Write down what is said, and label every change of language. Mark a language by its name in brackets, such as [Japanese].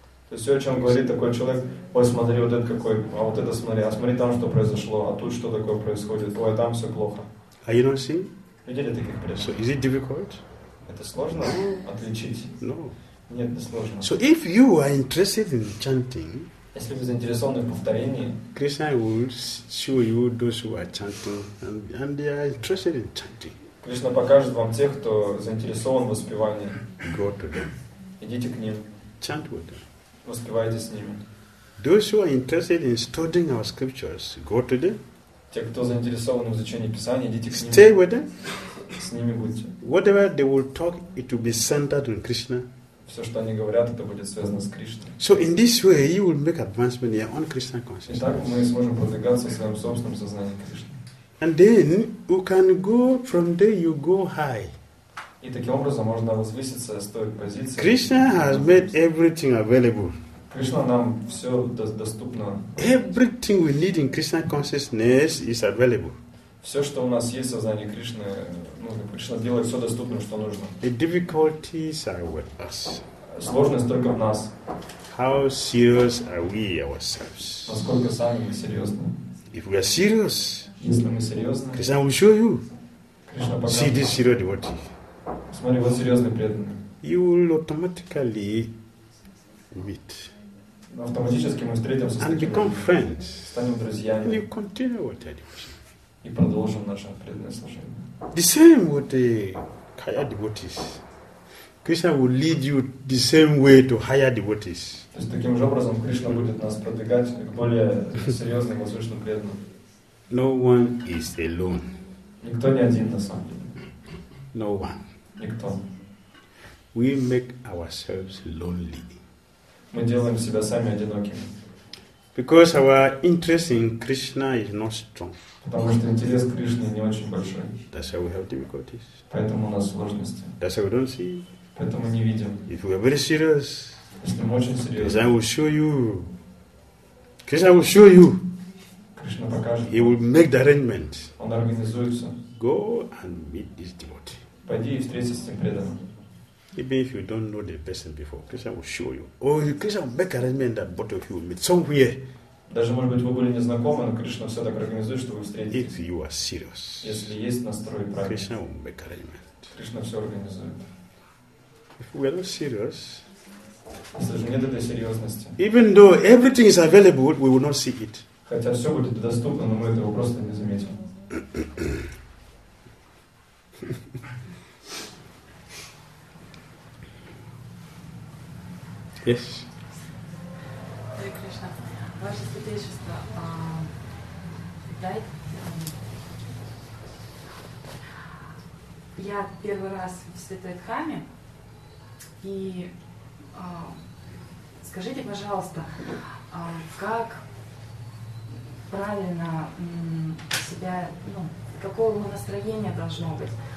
[Russian] То есть все, о чем говорит такой человек, ой, смотри, вот это какой, а вот это смотри, а смотри там, что произошло, а тут что такое происходит, ой, там все плохо. [English] Are you not seeing? [Russian] Видели таких преданных? [English] So is it difficult? [Russian] Это сложно отличить? [English] No. [Russian] Нет, не сложно. [English] So if you are interested in chanting, [Russian] если вы заинтересованы в повторении, [English] Krishna will show you those who are chanting and they are interested in chanting. [Russian] Кришна покажет вам тех, кто заинтересован в воспевании. [English] Go to them. [Russian] Идите к ним. [English] Chant with them. [Russian] Воспевайте с ними. [English] Those who are interested in studying our scriptures, go to them. [Russian] Те, кто заинтересованы в изучении Писания, идите к ним. [English] Stay with them. [Russian] С ними будьте. [English] Whatever they will talk, it will be centered on Krishna. [Russian] Все, что они говорят, это будет связано с Кришной. [English] So in this way, you will make advancement in your own Krishna consciousness. [Russian] Итак, мы сможем продвигаться в своем собственном сознании Кришны. [English] And then you can go from there, you go high. [Russian] И таким образом можно возвыситься с той позиции. [English] Krishna has made everything available. [Russian] Кришна нам все доступно. [English] Everything we need in Krishna consciousness is available. [Russian] Все, что у нас есть в сознании Кришны, ну, Кришна делает все доступно, что нужно. [English] The difficulties are with us. [Russian] Сложность только в нас. [English] How serious are we ourselves? [Russian] Насколько сами мы серьезны? [English] If we are serious, [Russian] если мы серьезны, [English] Krishna will show you. [Russian] Кришна покажет. [English] See this serious devotee. [Russian] Смотри, вот серьезный преданный. [English] You will automatically meet. [Russian] Автоматически мы встретимся с [English] And become [Russian] людьми. [English] Friends. [Russian] Станем друзьями. [English] And you continue with your devotion. [Russian] И продолжим наше преданное служение. [English] The same with the higher devotees. Krishna will lead you the same way to higher devotees. [Russian] То есть таким же образом Кришна будет нас продвигать к более серьезным и возвышенным преданным. [English] No one is alone. [Russian] Никто не один на самом деле. [English] No one. [Russian] Никто. [English] We make ourselves lonely. [Russian] Мы делаем себя сами одинокими. [English] Because our interest in Krishna is not strong. [Russian] Потому что интерес к Кришне не очень большой. [English] That's why we have difficulties. [Russian] Поэтому у нас сложности. [English] That's why we don't see. [Russian] Поэтому не видим. [English] If we are very serious, [Russian] если мы очень серьезны, [English] Krishna will show you. Krishna will show you. [Russian] Кришна покажет. [English] He will make the arrangement. [Russian] Он организуется. [English] Go and meet this devotee. [Russian] Пойди и встретись с этим преданным. [English] Even if you don't know the person before, Krishna will show you. Oh, Krishna will make arrangement that both of you will meet somewhere. [Russian] Даже может быть вы были незнакомы, но Кришна все так организует, что вы встретитесь. [English] If you are serious, [Russian] если есть настрой правильный, [English] Krishna will make arrangement. [Russian] Кришна все организует. [English] If we are not serious, [Russian] если же нет этой серьезности, [English] even though everything is available, we will not see it. [Russian] Хотя все будет доступно, но мы этого просто не заметим. [English] Yes. Hare Krishna. [Russian] Ваше святейшество, я первый раз в Святой Дхаме, и скажите, пожалуйста, как правильно себя, ну, какого у настроения должно быть?